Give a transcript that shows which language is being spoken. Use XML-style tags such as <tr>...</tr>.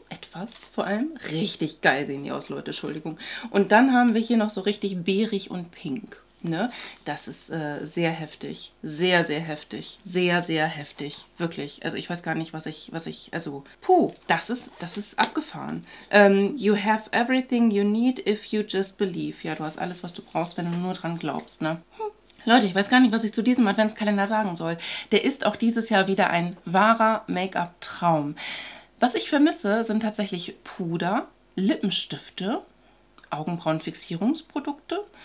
<de>Etwas vor allem. Richtig geil sehen die aus, Leute, Entschuldigung. Und dann haben wir hier noch so richtig beerig und pink. Ne? Das ist sehr heftig. Sehr, sehr heftig. Sehr, sehr heftig. Wirklich. Also ich weiß gar nicht, was ich, also, puh, das ist abgefahren.</de> <en>You have everything you need if you just believe.</en> <de>Ja, du hast alles, was du brauchst, wenn du nur dran glaubst, ne? Leute, ich weiß gar nicht, was ich zu diesem Adventskalender sagen soll. Der ist auch dieses Jahr wieder ein wahrer Make-up-Traum. Was ich vermisse, sind tatsächlich Puder, Lippenstifte, Augenbrauenfixierungsprodukte.</de>